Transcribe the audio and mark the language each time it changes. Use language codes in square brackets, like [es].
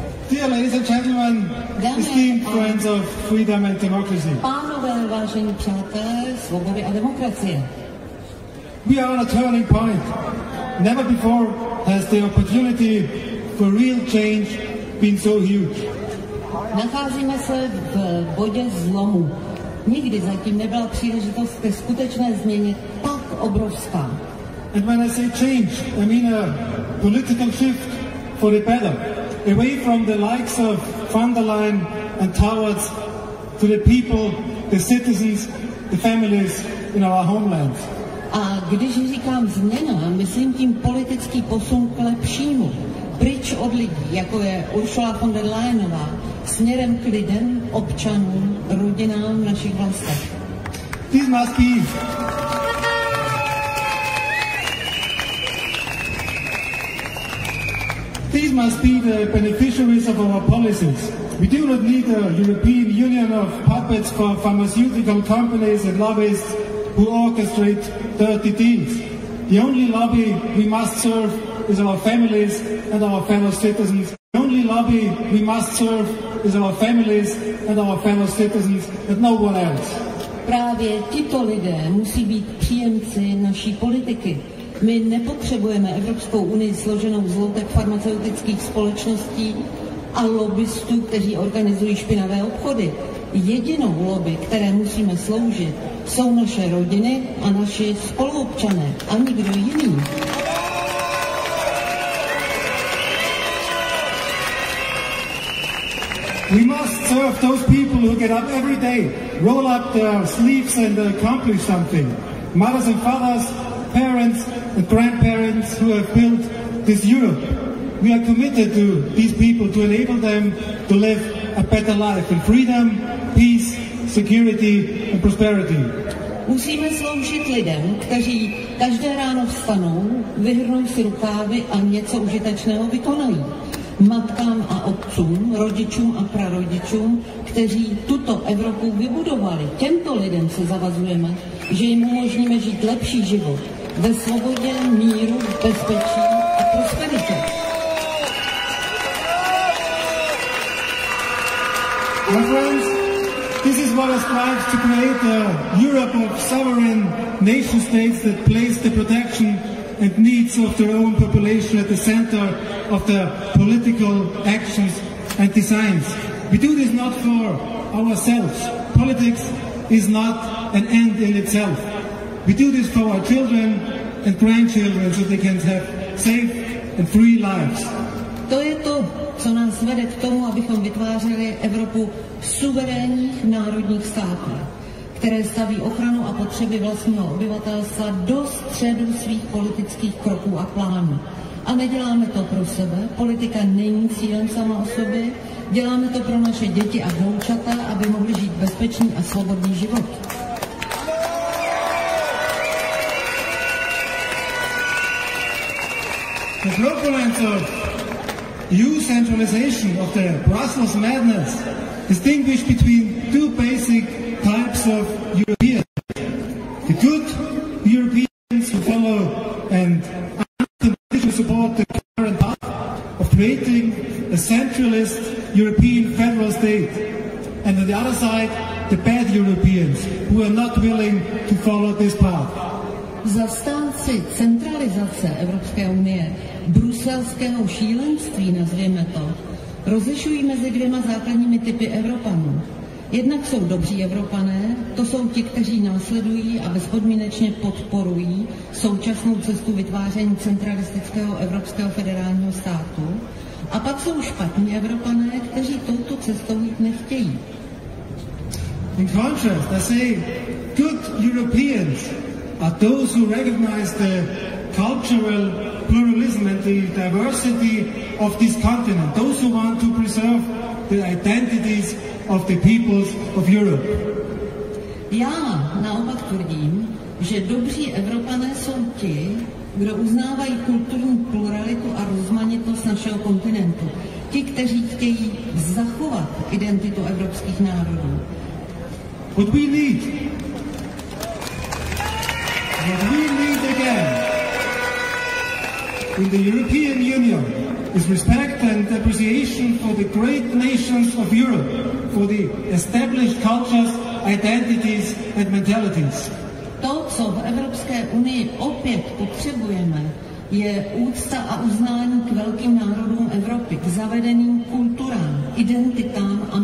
[en] Dear ladies and gentlemen, esteemed friends of freedom and democracy. [cs] Pánové, vážení přátelé, svobody a demokracie. [en] We are on a turning point. Never before has the opportunity for real change been so huge. [cs] Nacházíme se v bodě zlomu. Nikdy zatím nebyla příležitost ke skutečné změně tak obrovská. [en] And when I say change, I mean a political shift for the better, away from the likes of von der Leyen and towards to the people, the citizens, the families in our homeland. [cs] A když říkám změna, myslím tím politický posun k lepšímu, pryč od lidí, jako je Ursula von der Leyenová, směrem k lidem, občanům, rodinám našich vlastech. [en] This must be. These must be the beneficiaries of our policies. We do not need a European Union of puppets for pharmaceutical companies and lobbyists who orchestrate dirty deals. The only lobby we must serve is our families and our fellow citizens. The only lobby we must serve is our families and our fellow citizens, and no one else. [cs] Právě tito lidé musí být příjemci naší politiky. My nepotřebujeme Evropskou unii složenou z lotek farmaceutických společností a lobbystů, kteří organizují špinavé obchody. Jedinou lobby, které musíme sloužit, jsou naše rodiny a naši spoluobčané a nikdo jiný. [en] We must serve those people who get up every day, roll up their sleeves and accomplish something. Mothers and fathers, parents, the grandparents who have built this Europe. We are committed to these people to enable them to live a better life in freedom, peace, security and prosperity. [cs] Musíme sloužit lidem, kteří každé ráno vstanou, vyhrnou si rukávy a něco užitečného vykonají. Matkám a otcům, rodičům a prarodičům, kteří tuto Evropu vybudovali. Těmto lidem se zavazujeme, že jim umožníme žít lepší život. Ve svobodě, míru, bezpečí a prosperitě. [en] My friends, this is what I strive to create a Europe of sovereign nation states that place the protection and needs of their own population at the center of their political actions and designs. We do this not for ourselves. Politics is not an end in itself. We do this for our children and grandchildren so they can have safe and free lives. [cs] To je to, co nás vede k tomu, abychom vytvářeli Evropu suverénních národních států, které staví ochranu a potřeby vlastního obyvatelstva do středu svých politických kroků a plánů. A neděláme to pro sebe, politika není cílem sama o sobě, děláme to pro naše děti a vnoučata, aby mohli žít bezpečný a svobodný život. [en] The proponents of EU centralization, of the Brussels madness, distinguish between two basic types of Europeans. The good Europeans who follow and unconditionally support the current path of creating a centralist European federal state. And on the other side, the bad Europeans who are not willing to follow this path. [cs] Zastánci centralizace Evropské unie, bruselského šílenství, nazvěme to, rozlišují mezi dvěma základními typy Evropanů. Jednak jsou dobří Evropané, to jsou ti, kteří následují a bezpodmínečně podporují současnou cestu vytváření centralistického evropského federálního státu. A pak jsou špatní Evropané, kteří touto cestou jít nechtějí. [en] In contrast, I say good Europeans are those who recognize the cultural pluralism and the diversity of this continent, those who want to preserve the identities of the peoples of Europe. [cs] Já naopak tvrdím, že dobří Evropané jsou ti, kdo uznávají kulturní pluralitu a rozmanitost našeho kontinentu. Ti, kteří chtějí zachovat identitu evropských národů. [en] What we need. What we need again in the European Union is respect and appreciation for the great nations of Europe, for the established cultures, identities and mentalities. [cs] To, co v Evropské unii opět potřebujeme, je úcta a uznání k velkým národům Evropy, k zavedeným kulturám, identitám